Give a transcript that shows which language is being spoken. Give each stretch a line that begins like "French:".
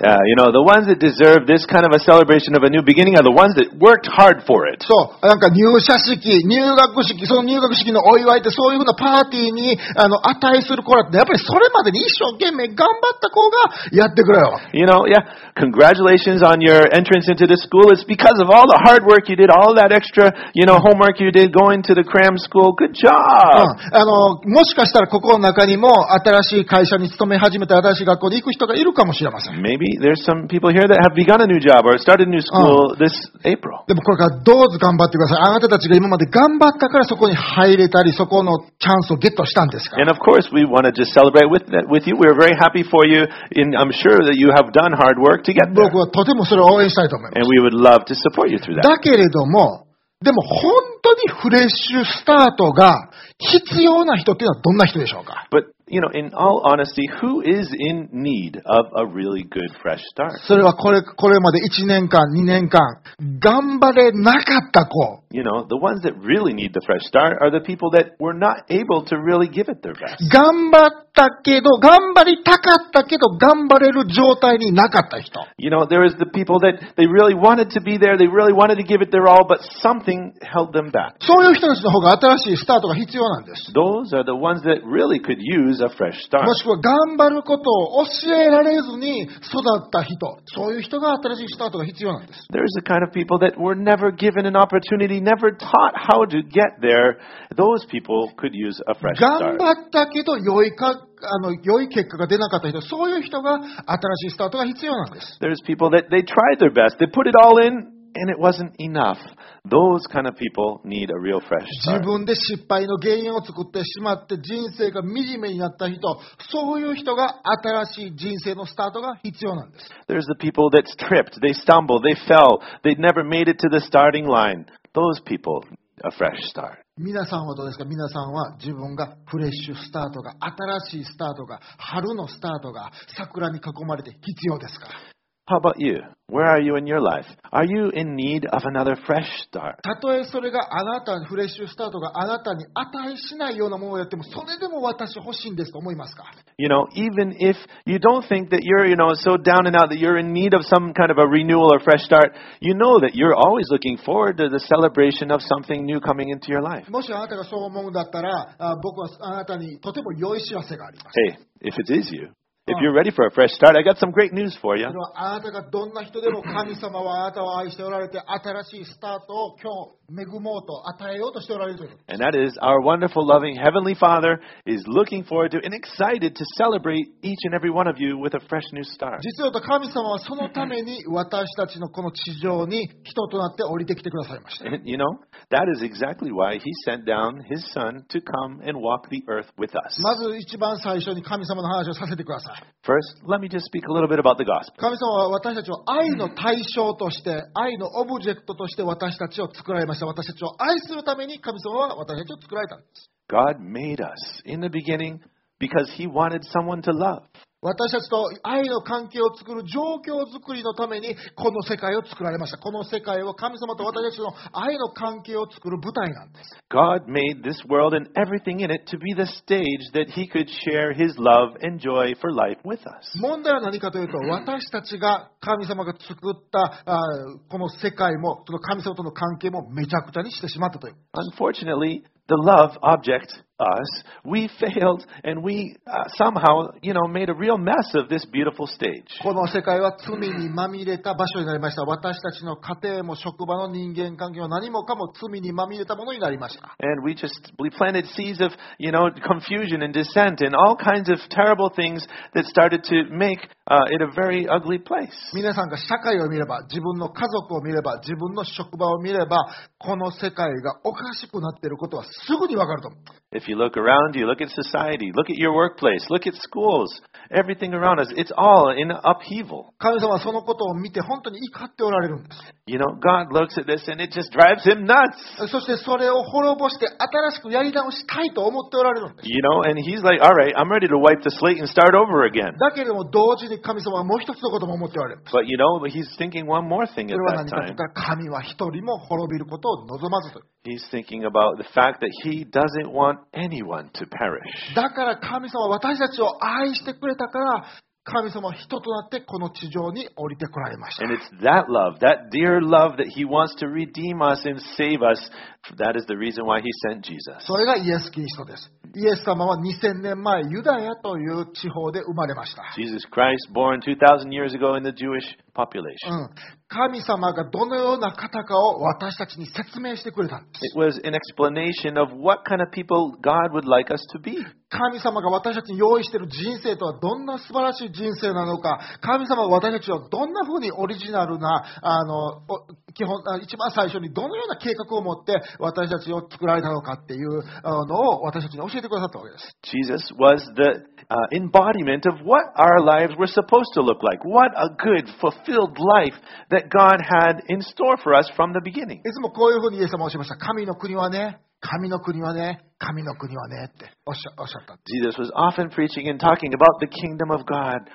English: Yeah, you know the ones that deserve this kind of a celebration of a new beginning are the ones that worked hard for it.
Japanese: そう、なんか入社式、入学式、その入学式のお祝いってそういうふうなパーティーに値する子らってやっぱりそれまでに一生懸命頑張った子がやってくれよ。
English: You know, yeah. Congratulations on your entrance into the school. It's because of all the hard work you did, all that extra, you know, homework you did, going to the cram school. Good job.、
Japanese: もしかしたらここの中にも新しい会社に勤め始めた新しい学校に行く人がいるかもしれません。
English: Maybe there's some people here that have begun a new job or started a new school、this April.
Japanese: でもこれからどうぞ頑張ってください。あなたたちが今まで頑張ったからそこに入れたり、そこのチャンスをゲットしたんですか。
English: And of course, we want to just celebrate with you. We're very happy for you. And I'm sure that you have done hard work to get there.
Japanese: 僕はとてもそれを応援したいと思います。
English: And we would love to support you through that.
Japanese: だけれども、でも本当にフレッシュスタートが必要な人っていうのはどんな人でしょうか。
English: But, you know, in all honesty, who is in need of a really good fresh start?
Japanese: それはこれまで1年間、2年間、頑張れなかった子。
English: You know, the ones that really need the fresh start are the people that were not able to really give it their best.
Japanese: 頑張ったけど、頑張りたかったけど、頑張れる状態になかった人。
English: You know, there is the people that they really wanted to be there, they really wanted to give it their all, but something held them back.
Japanese: そういう人たちの方が新しいスタートが必要ななんです。
English: Those are the ones that really could use a fresh start.
Japanese: もしくは頑張ることを教えられずに育った人、そういう人が新しいスタートが必要なんです。
English: There's the kind of people that were never given an opportunity, never taught how to get there. Those people could use a fresh start.
Japanese: 頑張ったけど良いか良い結果が出なかった人、そういう人が新しいスタートが必要なんです。
English: There's people that they tried their best, they put it all in. And it wasn't enough. Those kind of people need a real fresh start.
Japanese: 自分で失敗の原因を作ってしまって人生が惨めになった人、そういう人が新しい人生のスタートが必要なんです。
English: There's the people that tripped, they stumbled, they fell, they never made it to the starting line. Those people need a fresh start.
Japanese: 皆さんはどうですか？皆さんは自分がフレッシュスタートが、新しいスタートが、春のスタートが、桜に囲まれて必要ですか？
English: How about you? Where are you in your life? Are you in need of another fresh start?
Japanese: たとえそれがあなたフレッシュスタートがあなたに値しないようなものをやっても、それでも私欲しいんですと思いますか？
English: You know, even if you don't think that you're, you know, so down and out that you're in need of some kind of a renewal or fresh start, you know that you're always looking forward to the celebration of something new coming into your life.
Japanese: もしあなたがそう思うんだったら、僕はあなたにとても良い知らせがあります。
English: Hey, if it is you. If you're ready for a fresh start, I got some great news for you.
Japanese: あなたがどんな人でも神様はあなたを愛しておられて、新しいスタートを今日恵もうと与えようとしておられる。
English: And that is our wonderful, loving Heavenly Father is looking forward to and excited to celebrate each and every one of you with a fresh new start.
Japanese: 実は神様はそのために私たちのこの地上に人となって降りてきてくださいました。
English: And you know, that is exactly why He sent down His Son to come and walk the earth with us.
Japanese: まず一番最初に神様の話をさせてください。
English: First, let me just speak a little bit about the gospel.
Japanese: 神様は私たちを愛の対象として、愛のオブジェクトとして私たちを作られました。私たちを愛するために神様は私たちを作られたんです。
English: God made us in the beginning because He wanted someone to love.
Japanese: 私たちと愛の関係を作る状況作りのためにこの世界を作られました。この世界は神様と私たちの愛の関係を作る舞台なんです。
English: God made this world and everything in it to be the stage that He could share His love and joy for life with us.
Japanese: 問題は何かというと、私たちが神様が作ったこの世界も、その神様との関係もめちゃくちゃにしてしまったという。
English: Unfortunately,The love object, us, we failed and we somehow, you know, made a real mess of this beautiful stage.
Japanese: この世界は罪にまみれた場所になりました。私たちの家庭も職場の人間関係も何もかも罪にまみれたものになりました。
English: And we just, we planted seeds of, you know, confusion and dissent and all kinds of terrible things that started to make, it a very ugly place.
Japanese: 皆さんが社会を見れば、自分の家族を見れば、自分の職場を見れば、この世界がおかしくなっていることはすぐにわかると思う。
English: If you look around you, look at society, look at your workplace, look at schools, everything around us, it's all in upheaval.
Japanese: 神様はそのことを見て本当に怒っておられるんです。
English: You know, God looks at this and it just drives him nuts.
Japanese: そしてそれを滅ぼして新しくやり直したいと思っておられるんです。
English: You know, and he's like, all right, I'm ready to wipe the slate and start over again.
Japanese: だけれども同時に神様はもう一つのことも思っておられる。
English: But you know, he's thinking one more thing at that time.
Japanese: それは何かというと、神は一人も滅びることを望まずと。
English: He's thinking about the fact that he doesn't want anyone to perish.
Japanese: だから神様は私たちを愛してくれたから、神様は人となってこの地上に降りてこられました。
English: And it's that love, that dear love that he wants to redeem us and save us. That is the reason why he sent Jesus.
Japanese: それがイエス・キリストです。イエス様は2000年前ユダヤという地方で生まれました。
English: Jesus Christ born 2000 years ago in the Jewish population.
Japanese: 神様がどのような方かを私たちに説明してくれたんです。
English: It was an explanation of what kind of people God would like us to be.
Japanese: 神様が私たちに用意している人生とはどんな素晴らしい人生なのか、神様は私たちをどんなふうにオリジナルな基本一番最初にどのような計画を持って私たちを作られたのかっていうのを私たちに教えてくださったわけです。
English: Jesus was the embodiment of what our lives were supposed to look like. What a good, fulfilled life that God had in store for us from the beginning.
Japanese: いつもこういうふうにイエス様はおっしゃいました。神の国はね、神の国はね、神の国はねっておっしゃった。
English: Jesus was often preaching and talking about the kingdom of God.